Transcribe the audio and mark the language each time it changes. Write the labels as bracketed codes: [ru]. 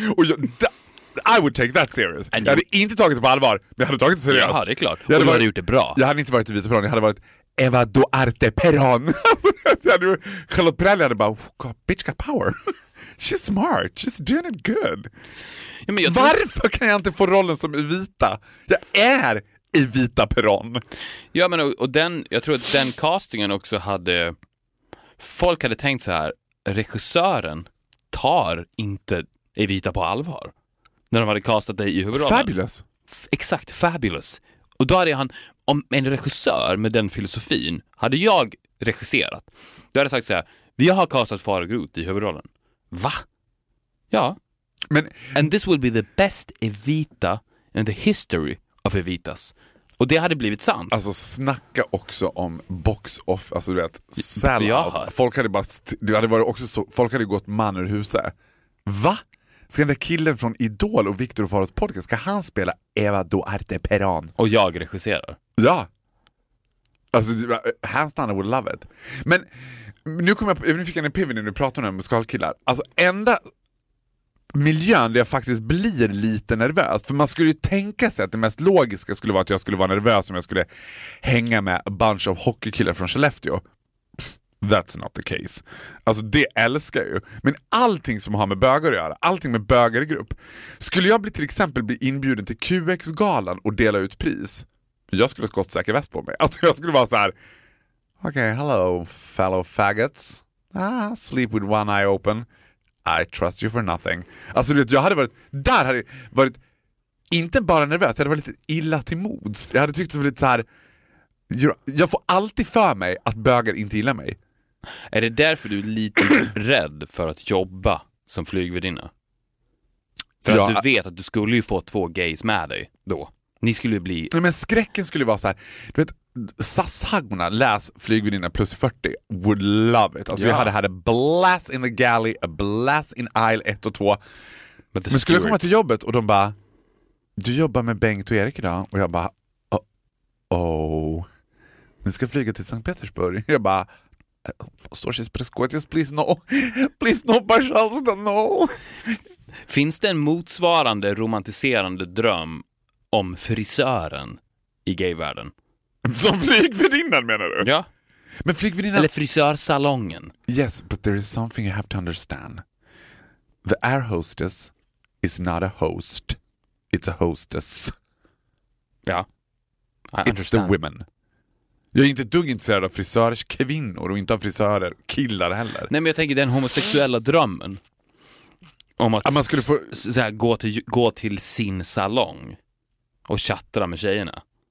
[en] Och I would take that serious. [sv] And jag hade inte tagit det på allvar, men jag hade tagit det seriöst. Ja, det är klart. Jag hade gjort det bra. Jag hade inte varit Evita Perón, jag hade varit Eva Duarte Perón. [en] Charlotte Perrelli [sv] hade bara, [en] oh God, bitch got power. She's smart, she's doing it good. [sv] Ja, men varför kan jag inte få rollen som Evita? Jag är Evita Perón. Ja, men och den, jag tror att den castingen också hade, folk hade tänkt så här, regissören tar inte Evita på allvar. När de hade castat dig i huvudrollen. [en] Fabulous. [sv] Exakt, fabulous. Och då hade han, om en regissör med den filosofin, hade jag regisserat. Då hade jag sagt så här, vi har castat Farah Groth i huvudrollen. Va? Ja. Men, [en] and this will be the best Evita in the history of Evitas. [sv] Och det hade blivit sant. Alltså snacka också om box off, alltså du vet, sellout. Folk hade bara, det hade varit också så, folk hade gått man ur huset. Va? Ska den där killen från Idol och Victor och Faros podcast, ska han spela Eva Duarte Perón? Och jag regisserar. Ja. [en] Alltså, hands down, I would love it. [sv] Men nu kommer jag på, nu fick jag en epiphany när du pratar om musikalkillar. Alltså enda miljön där jag faktiskt blir lite nervös. För man skulle ju tänka sig att det mest logiska skulle vara att jag skulle vara nervös om jag skulle hänga med [en] a bunch of [sv] hockeykillar från Skellefteå. [en] That's not the case. [sv] Alltså det älskar jag ju. Men allting som har med bögar att göra, allting med bögar i grupp. Skulle jag bli till exempel bli inbjuden till QX-galan och dela ut pris, jag skulle skott säker väst på mig. Alltså jag skulle vara så här, [en] okay, hello fellow faggots. Ah, sleep with one eye open. I trust you for nothing. [sv] Alltså du vet, jag hade varit, där hade varit, inte bara nervös, jag hade varit lite illa till mods. Jag hade tyckt att det var lite så här, jag får alltid för mig att bögar inte gillar mig. Är det därför du är lite rädd för att jobba som flygvärdinna? För ja, att du vet att du skulle ju få två gays med dig då. Ni skulle ju bli... Nej, men skräcken skulle vara så här. Du vet, SAS-hagmorna, läs flygvärdinna plus 40, [en] would love it. [sv] Alltså ja. Vi hade [en] had a blast in the galley, a blast in aisle 1 och 2. [sv] Men skulle stewards. Jag komma till jobbet och de bara, du jobbar med Bengt och Erik idag? Och jag bara, oh, ni ska flyga till Sankt Petersburg. Jag bara, [en] Storchis Prescottis, please no. Please no, Barsalsta, no. [sv] Finns det en motsvarande romantiserande dröm om frisören i gayvärlden? Som flygvärdinnan menar du? Ja. Men flygvärdinnan... Eller frisörsalongen. [en] Yes, but there is something you have to understand. The air hostess is not a host. It's a hostess. [sv] Ja. [en] It's the women. [sv] Jag är inte dugg intresserad av frisörers kvinnor och inte av frisörer killar heller. Nej, men jag tänker den homosexuella drömmen om att man skulle få... gå till sin salong och chatta med tjejerna.